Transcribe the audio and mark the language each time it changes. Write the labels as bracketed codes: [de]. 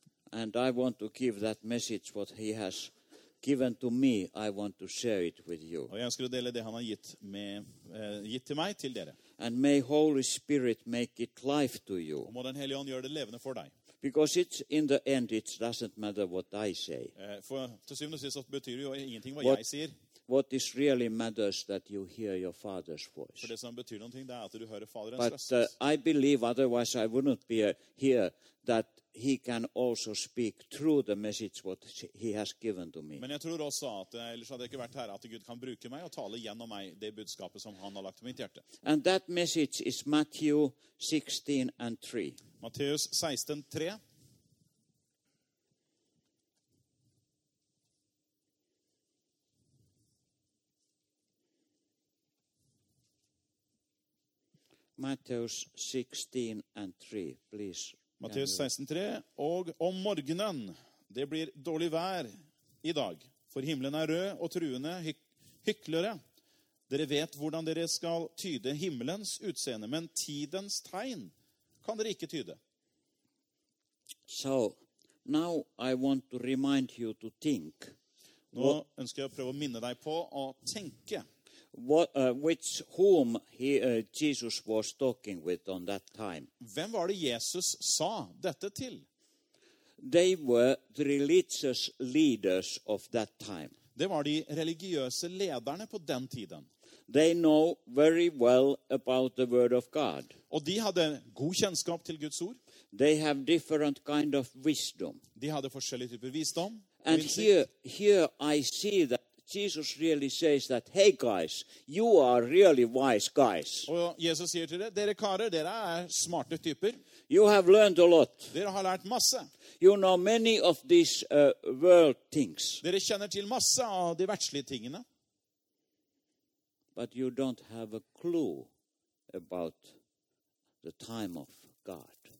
[en] And I want to give that message what he has given to me. I want to share it with you. [sv] Och jag ska dela det han har gett till mig till dere. [en] And may Holy Spirit make it life to you. [sv] Och må den helige ande gör det levande för dig. [en] Because it's in the end it doesn't matter what I say. [sv] För till syvende och sist så betyder det ju ingenting vad jag säger. [en] What is really matters that you hear your father's voice. [sv] För det som betyder någonting är att du hör faderns röst. [en] But I believe otherwise I wouldn't be here that he can also speak through the message what he has given to me. [sv] Men jag tror också att eller så hade jag inte varit här att Gud kan bruka mig och tala genom mig det budskapet som han har lagt i mitt hjärta. [en] And that message is Matthew 16 and 3. [no] Matteus 16:3. [en] Matteus 16:3, please. [no] Matteus 16:3. Og om morgenen, det blir dårlig vær i dag, for himlen er rød og truende hyklere. Dere vet hvordan dere skal tyde himmelens utseende, men tidens tegn kan dere ikke tyde. [en] So, now I want to remind you to think. [no] Nå ønsker jeg å prøve å minne deg på å tenke. [en] Whom Jesus was talking with on that time. [sv] Vem var det Jesus sa detta till? [en] They were the religious leaders of that time. [sv] Det var de religiösa ledarna på den tiden. [en] They know very well about the word of God. [sv] Och de hade god kännskap till Guds ord. [en] They have different kind of wisdom. [sv] De hade olika typer av visdom. [en] And here I see that Jesus really says that, hey guys, you are really wise guys. [sv] Och Jesus säger till dig, dere karer, dere är smarta typer. [en] You have learned a lot. [sv] Dere har lärt massa. [en] You know many of these world things. [sv] Dere känner till massa av de världsliga tingena. [en] But you don't have a clue about the time of God.